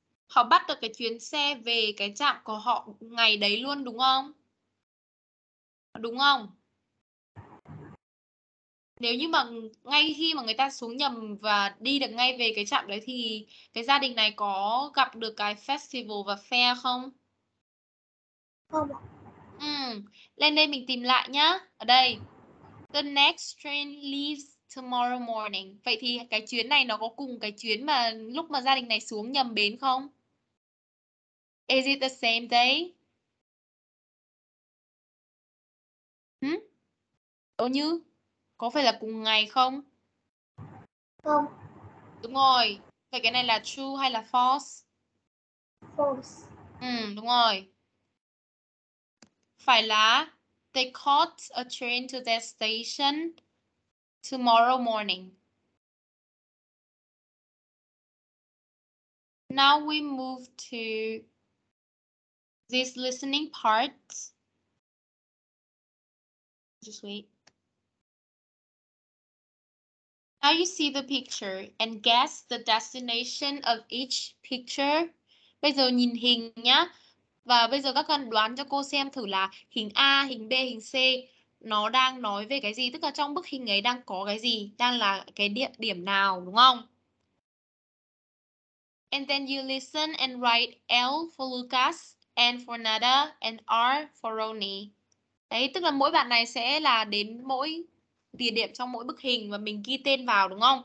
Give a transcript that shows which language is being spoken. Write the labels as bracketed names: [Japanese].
[Vietnamese] Họ bắt được cái chuyến xe về cái trạm của họ ngày đấy luôn, đúng không? Đúng không? Nếu như mà ngay khi mà người ta xuống nhầm và đi được ngay về cái trạm đấy thì cái gia đình này có gặp được cái festival và fair không? Không ạ. Ừ, lên đây mình tìm lại nhá. Ở đây, [English] the next train leaves tomorrow morning. [Vietnamese] Vậy thì cái chuyến này nó có cùng cái chuyến mà lúc mà gia đình này xuống nhầm bến không? [English] Is it the same day? [Vietnamese] Đâu như? Có phải là cùng ngày không? Không. Đúng rồi. Vậy cái này là true hay là false? [English] False. [Vietnamese] Ừ, đúng rồi. Phải là [English] they caught a train to their station tomorrow morning. Now we move to this listening part. Just wait. Now you see the picture and guess the destination of each picture. [Vietnamese] Bây giờ nhìn hình nhá. Và bây giờ các con đoán cho cô xem thử là hình A, hình B, hình C nó đang nói về cái gì? Tức là trong bức hình ấy đang có cái gì? Đang là cái địa điểm nào, đúng không? [English] And then you listen and write L for Lucas, N for Nada, and R for Roni. [Vietnamese] Đấy, tức là mỗi bạn này sẽ là đến mỗi địa điểm trong mỗi bức hình và mình ghi tên vào, đúng không?